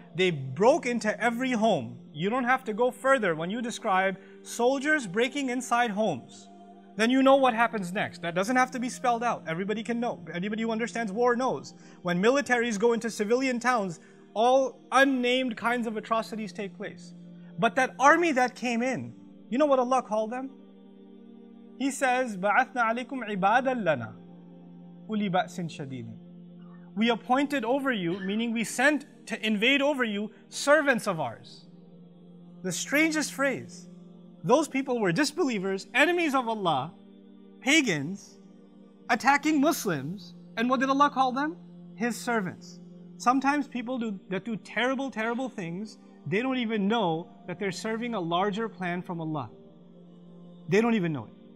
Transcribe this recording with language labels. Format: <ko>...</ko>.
<en>They broke into every home. You don't have to go further when you describe soldiers breaking inside homes. Then you know what happens next. That doesn't have to be spelled out. Everybody can know. Anybody who understands war knows. When militaries go into civilian towns, all unnamed kinds of atrocities take place. But that army that came in, you know what Allah called them? He says,</en> <ar>بَعَثْنَا عَلَيْكُمْ عِبَادًا لَنَا أُولِي بَأْسٍ شَدِيدٍ.</ar> <en>We appointed over you, meaning we sent to invade over you, servants of ours. The strangest phrase. Those people were disbelievers, enemies of Allah, pagans, attacking Muslims. And what did Allah call them? His servants. Sometimes people that do terrible, terrible things, they don't even know that they're serving a larger plan from Allah. They don't even know it.</en>